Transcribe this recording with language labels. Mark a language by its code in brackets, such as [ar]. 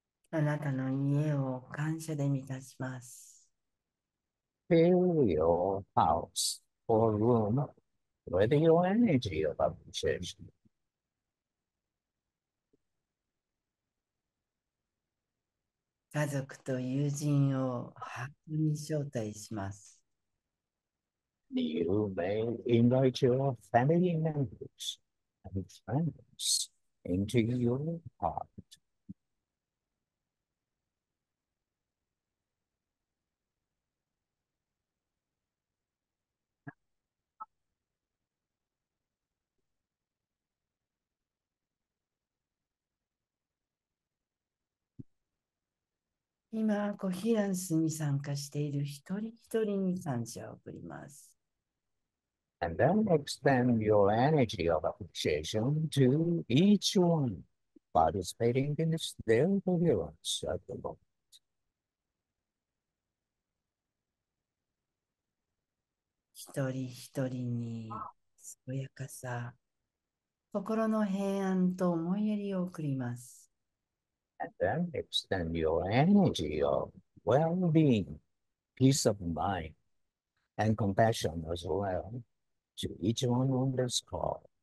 [ja] あなたの家を感謝で満たします。 [en] Fill your house or room with your energy of appreciation. You may invite your family members and friends into your heart. [ja] 今、コヒランスに参加している一人一人に感謝を送ります。 [en] And then extend your energy of appreciation to each one participating in this daily coherence at the moment. [ja] 一人一人に健やかさ、心の平安と思いやりを送ります。 [en] That extends your energy of well-being, peace of mind, and compassion as well to each one on this call.